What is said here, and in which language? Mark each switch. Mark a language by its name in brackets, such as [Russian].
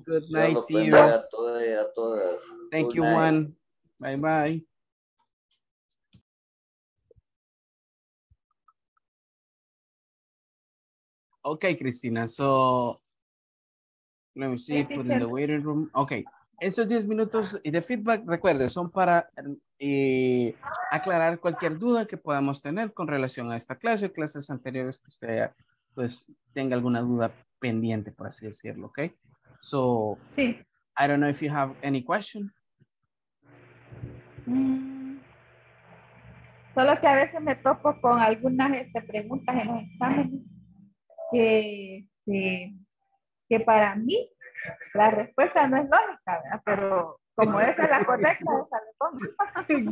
[English] Good night. See you. Thank you, Juan. Bye-bye. Okay, Cristina. So Let me see, put in the waiting room. [Spanish] Okay, esos 10 minutos y de feedback, recuerden, son para aclarar cualquier duda que podamos tener con relación a esta clase o clases anteriores que usted pues tenga alguna duda pendiente, por así decirlo, [English] okay? So, [Spanish] sí. [English] I don't know if you have any question. [Spanish] Solo que a veces me topo con algunas preguntas en los exámenes que para mí la respuesta no es lógica, ¿verdad? Pero como esa es la correcta, esa le pongo.